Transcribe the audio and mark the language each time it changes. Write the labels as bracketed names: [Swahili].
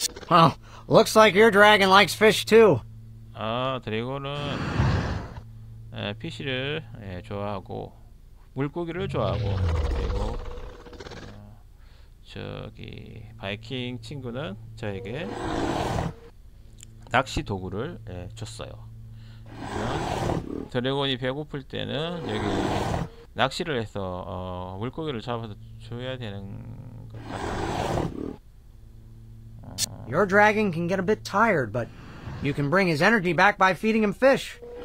[English] Well, looks like your dragon likes fish too. [Korean] 아, 드래곤은 예, 피시를 예, 좋아하고 물고기를 좋아하고 그리고 저기 바이킹 친구는 저에게 낚시 도구를 예, 줬어요. 드래곤이 배고플 때는 여기 낚시를 해서 물고기를 잡아서 줘야 되는 것 같아요. [English] Your dragon can get a bit tired, but you can bring his energy back by feeding him fish.